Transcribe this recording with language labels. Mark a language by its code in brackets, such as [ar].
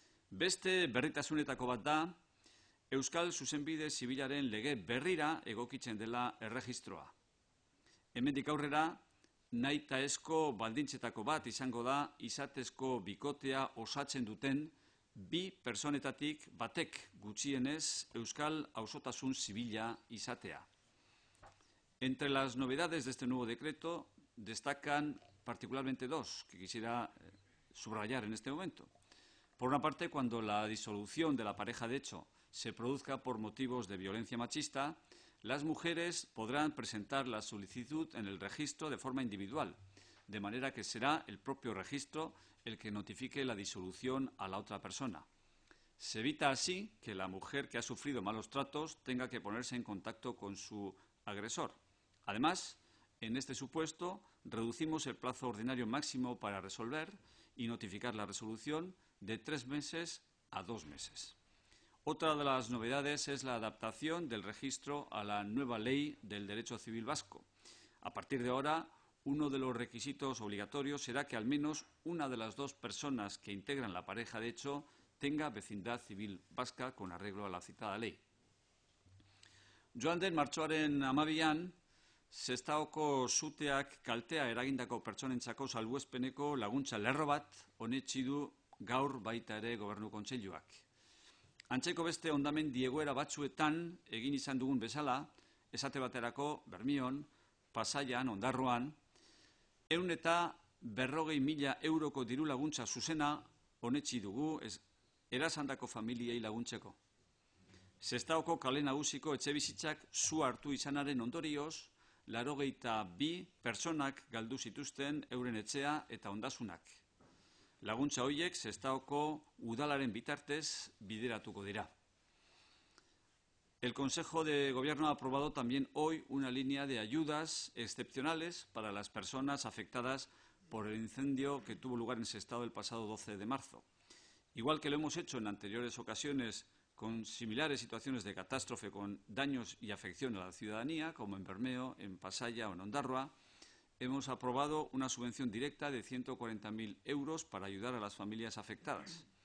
[eu] Beste berritasunetako bat da, Euskal Zuzenbide Zibilaren lege berrira egokitzen dela erregistroa. Hemendik aurrera, nahita esko baldintzetako bat izango da izatezko bikotea osatzen duten 2 personetatik batek gutxienez Euskal Auzotasun Zibila izatea. [es] Entre las novedades de este nuevo decreto destacan particularmente 2 que quisiera subrayar en este momento. Por una parte, cuando la disolución de la pareja de hecho se produzca por motivos de violencia machista, las mujeres podrán presentar la solicitud en el registro de forma individual, de manera que será el propio registro el que notifique la disolución a la otra persona. Se evita así que la mujer que ha sufrido malos tratos tenga que ponerse en contacto con su agresor. Además, en este supuesto, reducimos el plazo ordinario máximo para resolver y notificar la resolución de 3 meses a 2 meses. Otra de las novedades es la adaptación del registro a la nueva ley del derecho civil vasco. A partir de ahora, uno de los requisitos obligatorios será que al menos una de las 2 personas que integran la pareja de hecho tenga vecindad civil vasca con arreglo a la citada ley. [eu] Joan den martxoaren 12an, Sestaoko suteak kaltea eragindako pertsonentzako salbuespeneko laguntza lerro bat onetsi du gaur baita ere Gobernu Kontseiluak. Antzeko beste hondamendi egoera batzuetan egin izan dugun bezala, esate baterako Bermion, Pasaian, Ondarroan, 140.000 euroko diru laguntza zuzena onetsi dugu erasandako familiei laguntzeko. Sestaoko kale nagusiko etxebizitzak zu hartu izanaren ondorioz, 82 pertsonak galdu zituzten euren etxea eta ondasunak. Laguntza horiek Sestaoko udalaren bitartez bideratuko dira. [es] El Consejo de Gobierno ha aprobado también hoy una línea de ayudas excepcionales para las personas afectadas por el incendio que tuvo lugar en Sestao el pasado 12 de marzo. Igual que lo hemos hecho en anteriores ocasiones con similares situaciones de catástrofe con daños y afección a la ciudadanía, como en Bermeo, en Pasaya o en Ondarroa, hemos aprobado una subvención directa de 140.000 euros para ayudar a las familias afectadas.